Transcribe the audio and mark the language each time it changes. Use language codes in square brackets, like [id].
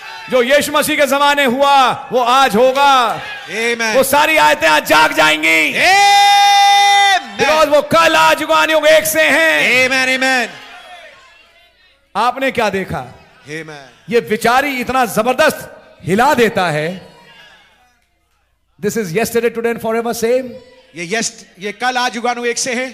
[hi] जो यीशु मसीह के जमाने हुआ वो आज होगा. [en] Amen. [hi] वो सारी आयतें आज जाग जाएंगी. [en] Amen. [hi] Because वो कल आज युगानुयुग एक से हैं. [en] Amen, amen. [hi] आपने क्या देखा? [en] Amen. [hi] ये विचारी इतना जबरदस्त हिला देता है. [en] This is yesterday, today and forever same. [hi] ये कल आज युगानुयुग एक से है.